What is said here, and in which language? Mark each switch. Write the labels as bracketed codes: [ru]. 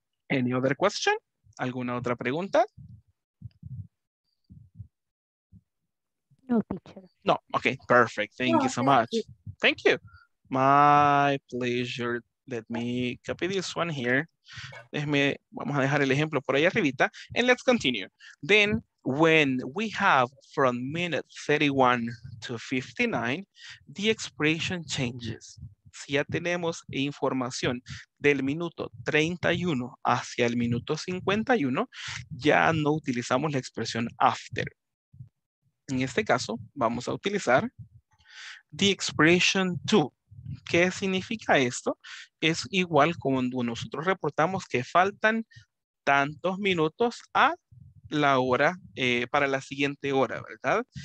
[en] Any other question? [es] ¿Alguna otra pregunta? [en] No, teacher. No, okay, perfect. Thank you so much. Thank you. My pleasure. Let me copy this one here. [es] Vamos a dejar el ejemplo por ahí arribita. [en] And let's continue. Then, when we have from minute 31 to 59, the expression changes. [es] Si ya tenemos información del minuto 31 hacia el minuto 51, ya no utilizamos la expresión after. En este caso, vamos a utilizar [en] the expression to. [es] ¿Qué significa esto? Es igual cuando nosotros reportamos que faltan tantos minutos a la hora para la siguiente hora, ¿verdad?